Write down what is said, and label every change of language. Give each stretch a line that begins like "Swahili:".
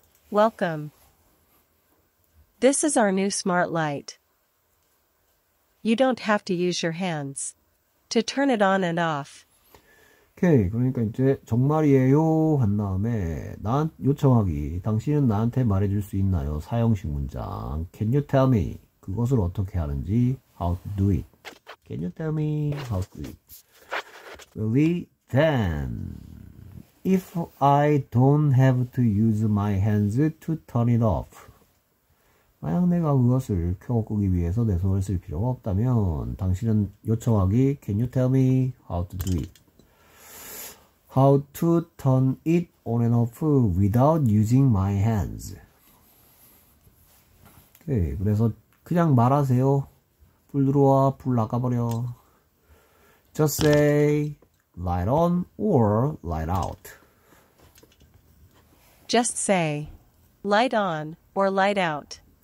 English: Welcome. This is our new smart light. You don't have to use your hands. To turn it on and off.
Korean: 오케이, 그러니까 이제 정말이에요 한 다음에 난 요청하기, 당신은 나한테 말해줄 수 있나요? 사용식 문장.
English: Can you tell me
Korean: 그것을 어떻게 하는지?
English: How to do it. Can you tell me how to do it? Really? Then if I don't have to use my hands to turn it off,
Korean: 만약 내가 그것을 켜고 끄기 위해서 내 손을 쓸 필요가 없다면, 당신은 요청하기,
English: Can you tell me how to do it? How to turn it on and off without using my hands.
Korean: 오케이, 그래서 그냥 말하세요. 불 들어와, 불 나가버려.
English: Just say light on or light out. Just say, light on or light out.